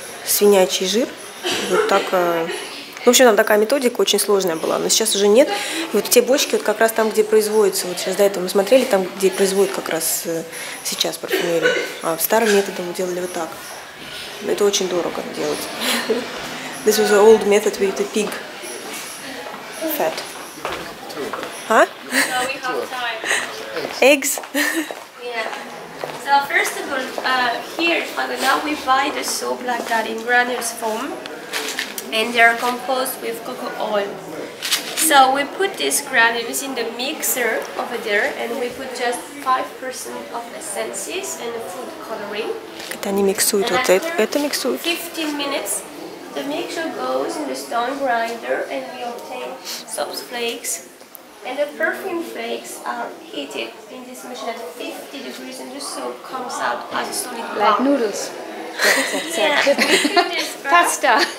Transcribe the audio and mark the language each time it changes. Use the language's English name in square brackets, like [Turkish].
[Russian] Свинячий жир, вот так, в общем, там такая методика очень сложная была, но сейчас уже нет. И вот те бочки, вот как раз там, где производится, вот сейчас до этого мы смотрели, там, где производят как раз сейчас парфюмерию, а старым методом делали вот так. Это очень дорого делать. [English] This was an old method with the pig fat. А? No, we have time. Eggs. Yeah. So first of all, here now we buy the soap like that in granules form, and they are composed with cocoa oil. So we put these granules in the mixer over there, and we put just 5% of essences and food coloring. [Russian] Это они миксуют вот это миксуют. [English] 15 minutes. The mixture goes in the stone grinder, and we obtain soap flakes. And the perfume flakes are heated in this machine at 50 degrees, and the soap comes out as a solid lump. Like noodles. Pasta.